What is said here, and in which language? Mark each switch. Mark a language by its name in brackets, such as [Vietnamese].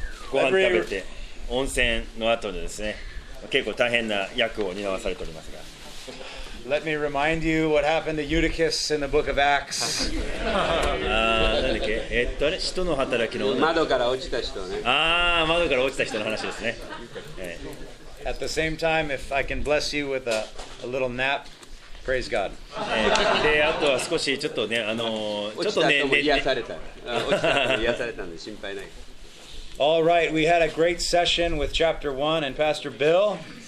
[Japanese] ご飯食べて温泉の後でですね、結構大変な役を担わされておりますが。 [English] Let me remind you what happened to Eutychus in the book of Acts. [Japanese] ああ、なんだっけ、使徒の働きの窓から落ちた人ね。ああ、窓から落ちた人の話ですね。 [English] At the same time, if I can bless you with a little nap, praise God. All right, we had a great session with Chapter 1 and Pastor Bill.